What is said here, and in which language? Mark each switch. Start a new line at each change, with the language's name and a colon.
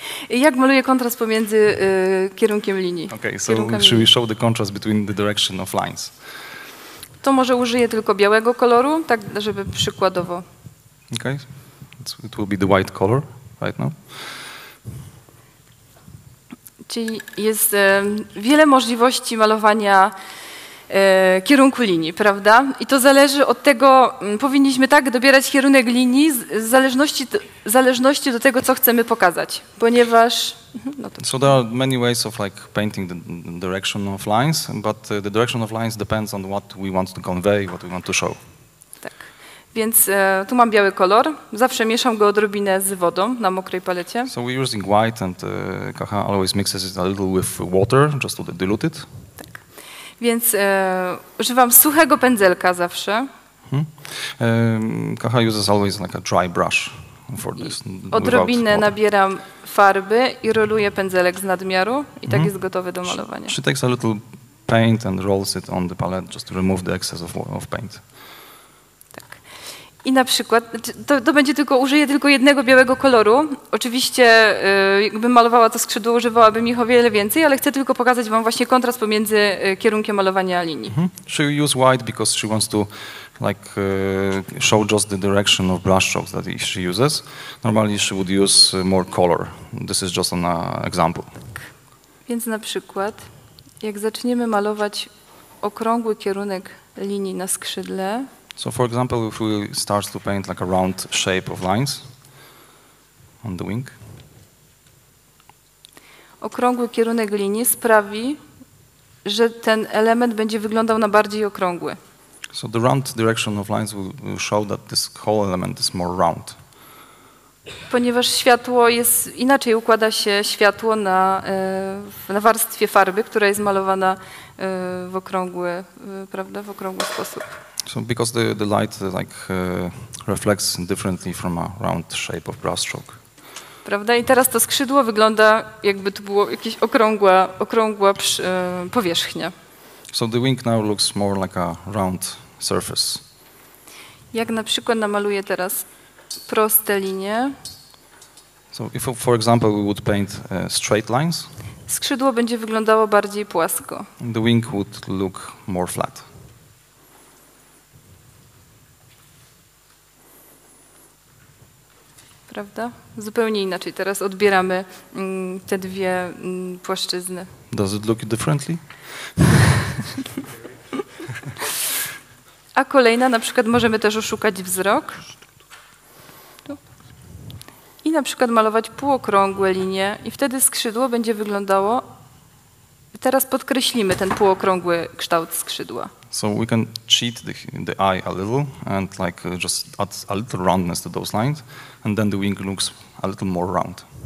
Polish: Jak maluję kontrast pomiędzy kierunkiem linii?
English: Okay, so should we show the contrast between the direction of lines?
Polish: To może użyję tylko białego koloru, tak żeby przykładowo.
English: Okay. It will be the white color right now.
Polish: Czyli jest wiele możliwości malowania kierunku linii, prawda? I to zależy od tego, powinniśmy tak dobierać kierunek linii w zależności do tego, co chcemy pokazać, ponieważ... No to...
English: So there are many ways of like painting the direction of lines, but the direction of lines depends on what we want to convey, what we want to show.
Polish: Więc tu mam biały kolor. Zawsze mieszam go odrobinę z wodą na mokrej palecie.
English: So we're using white and Kaha always mixes it a little with water, just to dilute it.
Polish: Tak. Więc używam suchego pędzelka zawsze. Hmm.
English: Kaha uses always like a dry brush for this.
Polish: Odrobinę nabieram farby i roluję pędzelek z nadmiaru i tak jest gotowy do malowania.
English: She takes a little paint and rolls it on the palette just to remove the excess of paint.
Polish: I na przykład, to będzie tylko, użyję tylko jednego białego koloru. Oczywiście, gdybym malowała to skrzydło, używałabym ich o wiele więcej, ale chcę tylko pokazać wam właśnie kontrast pomiędzy kierunkiem malowania a linii.
English: She uses white because she wants to like show just the direction of brush strokes that she uses. Normally she would use more color. This is just an example.
Polish: Tak. Więc na przykład, jak zaczniemy malować okrągły kierunek linii na skrzydle,
English: so for example, if we start to paint like a round shape of lines on the wing.
Polish: Okrągły kierunek linii sprawi, że ten element będzie wyglądał na bardziej okrągły.
English: So the round direction of lines will show that this whole element is more round.
Polish: Ponieważ światło jest, inaczej układa się światło na warstwie farby, która jest malowana w okrągły, prawda, w okrągły sposób.
English: So because the light like reflects differently from a round shape of brush stroke.
Polish: Prawda? I teraz to skrzydło wygląda jakby to było jakieś okrągła powierzchnia.
English: So the wing now looks more like a round surface.
Polish: Jak na przykład namaluję teraz proste linie.
English: So if for example we would paint straight lines.
Polish: Skrzydło będzie wyglądało bardziej płasko.
English: The wing would look more flat.
Polish: Prawda? Zupełnie inaczej. Teraz odbieramy te dwie płaszczyzny.
English: Does it look differently?
Polish: A kolejna, na przykład możemy też oszukać wzrok. Tu. I na przykład malować półokrągłe linie i wtedy skrzydło będzie wyglądało... Teraz podkreślimy ten półokrągły kształt skrzydła.
English: So we can cheat the eye a little and like just add a little roundness to those lines and then the wing looks a little more round.